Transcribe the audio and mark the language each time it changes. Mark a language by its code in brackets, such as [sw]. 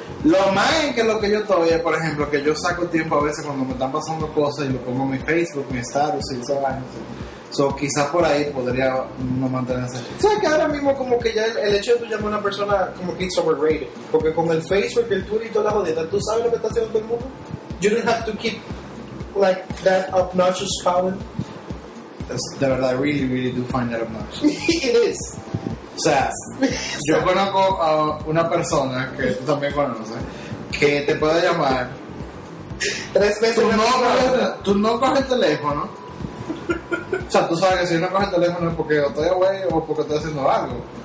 [es] Lo más en que lo que yo estoy es, por ejemplo, que yo saco tiempo a veces cuando me están pasando cosas y lo pongo en mi Facebook, mi status y eso. So, quizás por ahí podría no mantenerse. ¿Sabes que ahora mismo como que ya el hecho de tú llamar a una persona como que [en] it's overrated? [es] Porque con el Facebook, el Twitter y toda la jodida, ¿tú sabes lo que está haciendo todo el mundo? [en] You don't have to keep like that obnoxious power. [es] De verdad, [en] I really, really do find that obnoxious. It is. [es] O sea, yo conozco a una persona que tú también conoces, que te puede llamar tres veces. Tú no coges el teléfono. O sea, tú sabes que si no coges el teléfono es porque estoy away o porque estoy haciendo algo.